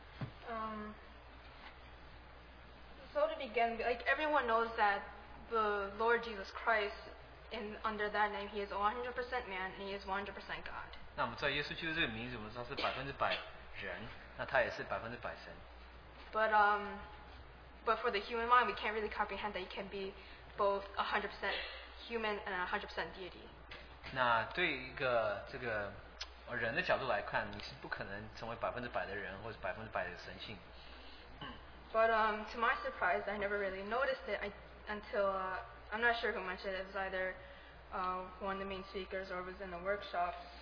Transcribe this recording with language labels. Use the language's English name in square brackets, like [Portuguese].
[Chinese] 希望，但愿我们能够经历到这个得胜，那这个得胜乃是主耶稣基督的所赐，那他是那一位已经胜过罪、死亡和撒旦。当我们信靠他，还当我们承认他是谁的时候。 [English] So to begin, like everyone knows that the Lord Jesus Christ, in under that name, He is 100% man and He is 100% God. [Chinese] 那我们知道耶稣基督这个名字，我们知道是百分之百人，那他也是百分之百神。 [English] But but for the human mind, we can't really comprehend that He can be both 100% human and 100% deity. [Chinese] 那对一个这个人的角度来看，你是不可能成为百分之百的人或者百分之百的神性。 [English] But to my surprise, I never really noticed it until I'm not sure who mentioned it. It was either one of the main speakers or was in the workshop.